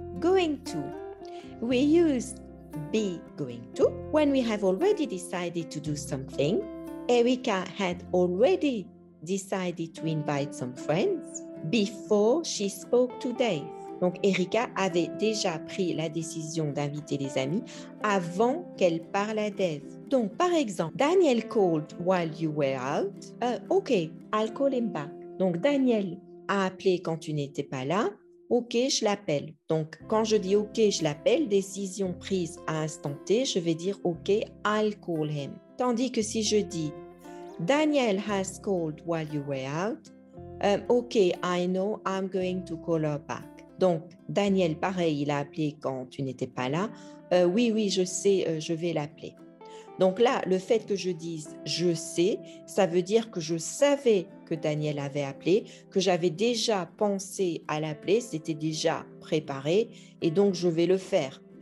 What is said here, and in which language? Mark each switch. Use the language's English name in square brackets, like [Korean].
[English] Going to. We use be going to when we have already decided to do something. Erica had already decided to invite some friends before she spoke to Dave. [French] Donc, Erica avait déjà pris la décision d'inviter les amis avant qu'elle parle à Dave. Donc, par exemple, [English] Daniel called while you were out. OK, I'll call him back. [French] Donc, Daniel a appelé quand tu n'étais pas là. OK, je l'appelle. Donc, quand je dis OK, je l'appelle, décision prise à instant T, je vais dire [English] OK, I'll call him. [French] Tandis que si je dis [English] Daniel has called while you were out. OK, I know I'm going to call her back. [French] Donc, Daniel, pareil, il a appelé quand tu n'étais pas là. Oui, je sais, je vais l'appeler. Donc là, le fait que je dise « je sais », ça veut dire que je savais que Daniel avait appelé, que j'avais déjà pensé à l'appeler, c'était déjà préparé, et donc je vais le faire.